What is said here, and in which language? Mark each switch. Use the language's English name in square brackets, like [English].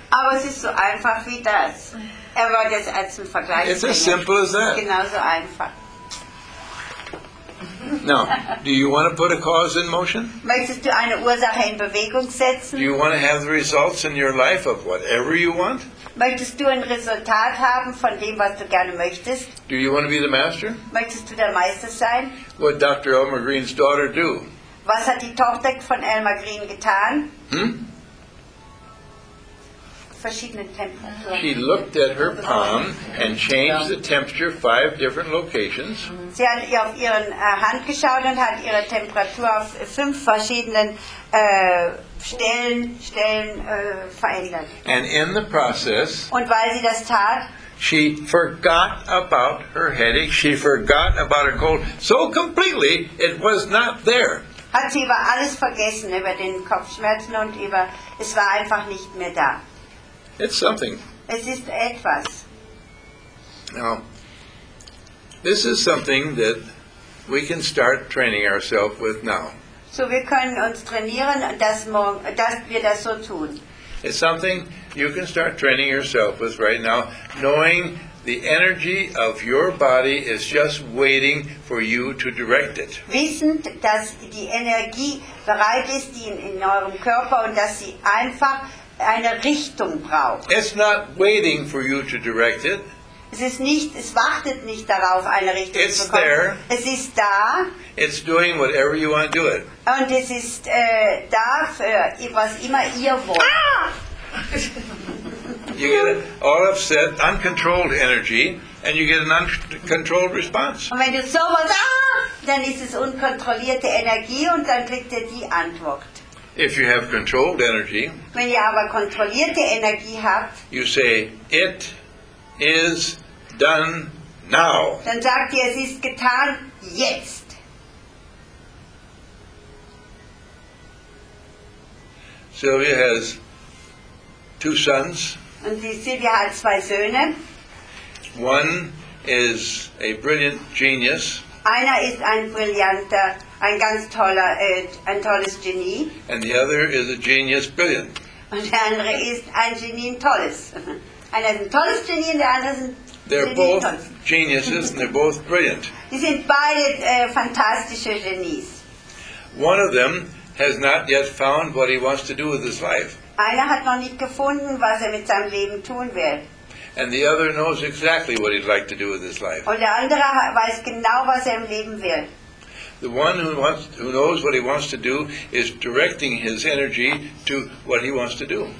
[German] Aber es ist so einfach wie das. Er war jetzt als ein Vergleich. [English] It's as simple as that. [German] Genauso einfach. [English] Now, do you want to put a cause in motion? [German] Möchtest du eine Ursache in Bewegung setzen? [English] Do you want to have the results in your life of whatever you want? [German] Möchtest du ein Resultat haben von dem, was du gerne möchtest? [English] Do you want to be the master? [German] Möchtest du der Meister sein? [English] What did Dr. Elmer Green's daughter do? [German] Was hat die Tochter von Elmer Green getan? Verschiedene Temperaturen. [English] She looked at her palm and changed the temperature 5 different locations. [German] Sie hat auf ihren Hand geschaut und hat ihre Temperatur auf 5 verschiedenen Stellen verändert. [English] And in the process, [German] und weil sie das tat, [English] she forgot about her headache, she forgot about her cold, so completely it was not there. [German] Hat sie über alles vergessen, über den Kopfschmerzen und über, es war einfach nicht mehr da. [English] It's something. [German] Es ist etwas. [English] Now, this is something that we can start training ourselves with now. [German] So wir können uns trainieren, dass wir das so tun. [English] It's something you can start training yourself with right now, knowing the energy of your body is just waiting for you to direct it. [German] Wissend, dass die Energie bereit ist, die in eurem Körper, und dass sie einfach eine Richtung braucht. [English] It's not waiting for you to direct it. [German] Es ist nicht, es wartet nicht darauf, eine Richtung [English] it's [German] zu bekommen. [English] There. [German] Es ist da. [English] It's doing whatever you want to do it. [German] Und es ist da für, was immer ihr wollt. Ah! [English] You get an all upset, uncontrolled energy, and you get an uncontrolled response. [German] Und wenn du so was, dann ist es unkontrollierte Energie und dann kriegt ihr die Antwort. [English] If you have controlled energy, [German] wenn ihr aber kontrollierte Energie habt, [English] you say, it is done now. [German] Dann sagt ihr, es ist getan jetzt. [English] Sylvia has 2 sons. [German] Und die Sylvia hat 2 Söhne. [English] One is a brilliant genius. [German] Einer ist ein brillanter, ein ganz toller, ein tolles Genie. [English] And the other is a genius brilliant. [German] Und der andere ist ein Genie, ein tolles. Einer ist ein tolles Genie und der andere ist ein Genie. [English] They're both geniuses and they're both brilliant. [German] Die sind beide fantastische Genies. [English] One of them has not yet found what he wants to do with his life. [German] Einer hat noch nicht gefunden, was er mit seinem Leben tun will. [English] And the other knows exactly what he'd like to do with his life. [German] Und der andere weiß genau, was er im Leben will. [English] The one who knows what he wants to do is directing his energy to what he wants to do.